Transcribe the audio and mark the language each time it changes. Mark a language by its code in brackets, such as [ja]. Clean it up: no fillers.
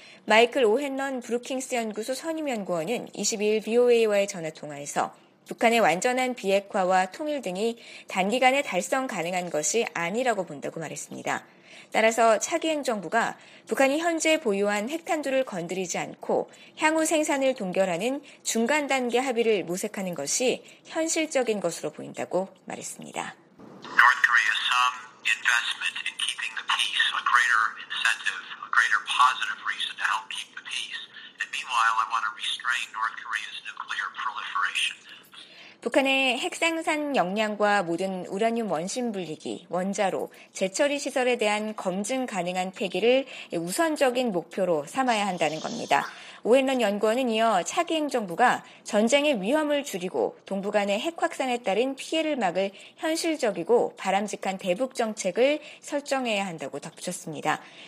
[ko] 마이클 오헨런 브루킹스 연구소 선임연구원은 22일 BOA와의 전화통화에서 북한의 완전한 비핵화와 통일 등이 단기간에 달성 가능한 것이 아니라고 본다고 말했습니다. 따라서 차기 행정부가 북한이 현재 보유한 핵탄두를 건드리지 않고 향후 생산을 동결하는 중간 단계 합의를 모색하는 것이 현실적인 것으로 보인다고 말했습니다. [en] North Korea some investment in keeping the peace, a greater incentive, a greater positive reason to help keep the peace. And meanwhile, I want to restrain North Korea's nuclear proliferation. [ko] 북한의 핵생산 역량과 모든 우라늄 원심 분리기, 원자로, 재처리 시설에 대한 검증 가능한 폐기를 우선적인 목표로 삼아야 한다는 겁니다. 오헨런 연구원은 이어 차기 행정부가 전쟁의 위험을 줄이고 동북 간의 핵 확산에 따른 피해를 막을 현실적이고 바람직한 대북 정책을 설정해야 한다고 덧붙였습니다.